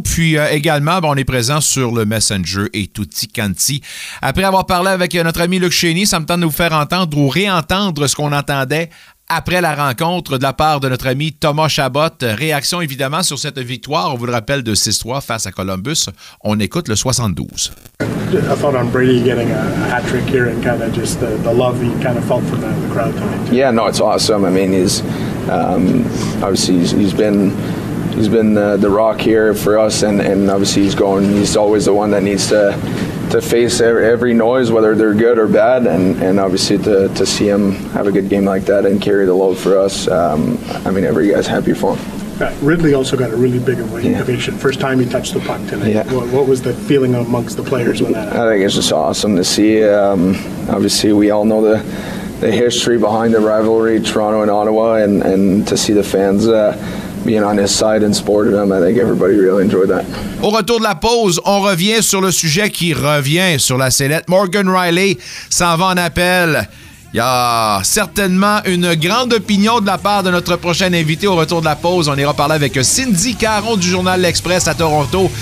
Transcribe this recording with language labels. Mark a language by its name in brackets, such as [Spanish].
[French] Puis également, on est présent sur le Messenger et Tutti Canti. Après avoir parlé avec notre ami Luc Chénier, ça me tente de vous faire entendre ou réentendre ce qu'on entendait après la rencontre de la part de notre ami Thomas Chabot. Réaction évidemment sur cette victoire, on vous le rappelle, de 6-3 face à Columbus. On écoute le 72. [English] I thought on Brady getting a hat-trick here and kind of just the love he kind of felt from the crowd tonight. Yeah, no, it's awesome. I mean, he's obviously he's been the rock here for us and obviously he's always the one that needs to face every noise, whether they're good or bad, and obviously to see him have a good game like that and carry the load for us, I mean, every guy's happy for him. Ridley also got a really big ovation. Yeah. First time he touched the puck tonight. Yeah. What was the feeling amongst the players when that happened? I think it's just awesome to see. Obviously, we all know the history behind the rivalry, Toronto and Ottawa, and to see the fans being on his side and supporting him, I think everybody really enjoyed that. [French] Au retour de la pause, on revient sur le sujet qui revient sur la sellette. Morgan Riley s'en va en appel. Il y a certainement une grande opinion de la part de notre prochain invité. Au retour de la pause, on ira parler avec Cindy Caron du journal L'Express à Toronto.